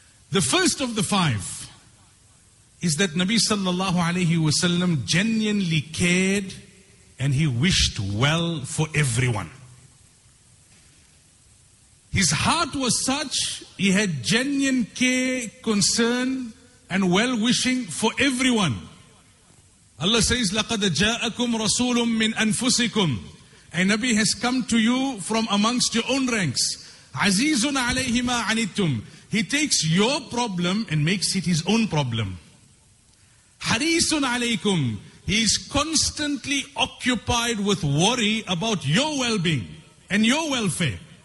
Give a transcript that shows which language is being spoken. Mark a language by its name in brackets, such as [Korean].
[English] The first of the five is that Nabi sallallahu alaihi wasallam genuinely cared and he wished well for everyone. His heart was such, he had genuine care, concern and well-wishing for everyone. Allah says, [Arabic] لَقَدْ جَاءَكُمْ رَسُولٌ مِّنْ أَنفُسِكُمْ. [English] A Nabi has come to you from amongst your own ranks. [Arabic] عَزِيزٌ عَلَيْهِ مَا عَنِتُمْ. [English] He takes your problem and makes it his own problem. [Arabic] حَرِيسٌ عَلَيْكُمْ. [English] He is constantly occupied with worry about your well-being and your welfare.